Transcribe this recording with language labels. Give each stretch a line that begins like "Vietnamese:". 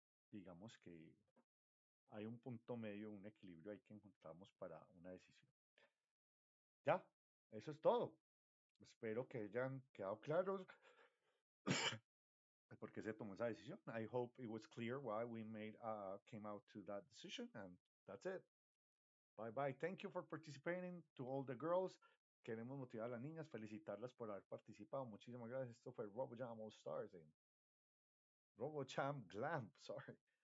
Spanish: Digamos que hay un punto medio, un equilibrio ahí que encontramos para una decisión. Ya, eso es todo. Espero que hayan quedado claros por qué se tomó esa decisión.
English: I hope it was clear why we came out to that decision, and that's it. Bye bye. Thank you for participating to all the girls.
Spanish: Queremos motivar a las niñas, felicitarlas por haber participado. Muchísimas gracias. Esto fue RoboJam All Stars en RoboJam Glam, sorry.